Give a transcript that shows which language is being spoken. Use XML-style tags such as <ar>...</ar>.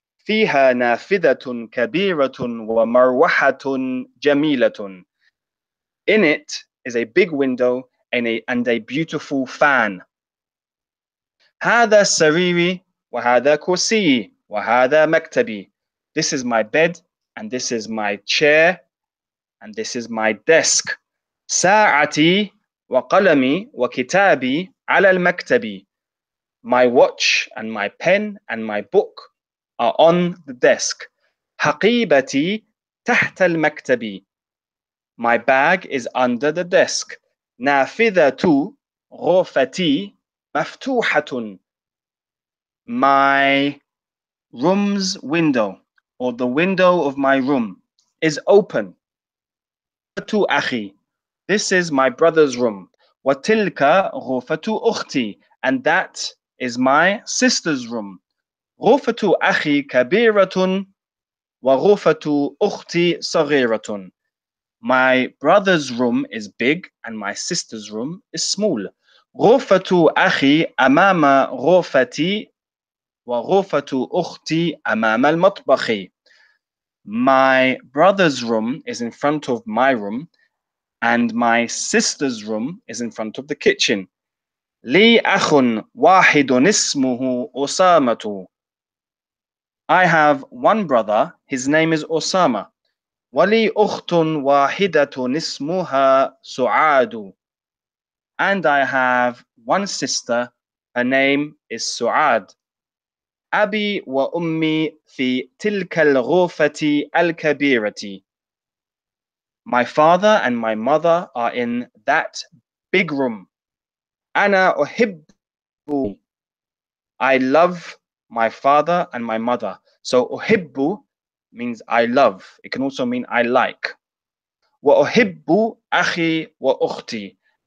<ar>فيها نافذة كبيرة ومروحة جميلة.</ar> <en>In it is a big window and a beautiful fan.</en> <ar>هذا سريري وهذا كرسي وهذا مكتبي.</ar> <en>This is my bed and this is my chair and this is my desk.</en> <ar>ساعتي وقلمي وكتابي على المكتب.</ar> <en>My watch and my pen and my book are on the desk.</en> <ar>حقيبتي تحت المكتب.</ar> <en>My bag is under the desk.</en> <ar>نافذة غرفتي مفتوحة.</ar> <en>My room's window, or the window of my room, is open.</en> <ar>غرفتي أخي.</ar> <en>This is my brother's room.</en> <ar>وتلك غرفة أختي.</ar> <en>And that is my sister's room.</en> <ar>غرفة أخي كبيرة وغرفة أختي صغيرة.</ar> <en>My brother's room is big and my sister's room is small.</en> <ar>غرفة أخي أمام غرفتي وغرفة أختي أمام المطبخ.</ar> <en>My brother's room is in front of my room and my sister's room is in front of the kitchen.</en> <ar>لي أخ واحد اسمه أسامة.</ar> <en>I have one brother, his name is أسامة.</en> <ar>ولي أخت واحدة اسمها سعاد.</ar> <en>And I have one sister, her name is سعاد.</en> <ar>أبي وأمي في تلك الغرفة الكبيرة.</ar> <en>My father and my mother are in that big room.</en> <ar>أنا أحب.</ar> <en>I love my father and my mother. So أحب means I love. It can also mean I like.</en> <ar>وأحب أخي وأختي.</ar>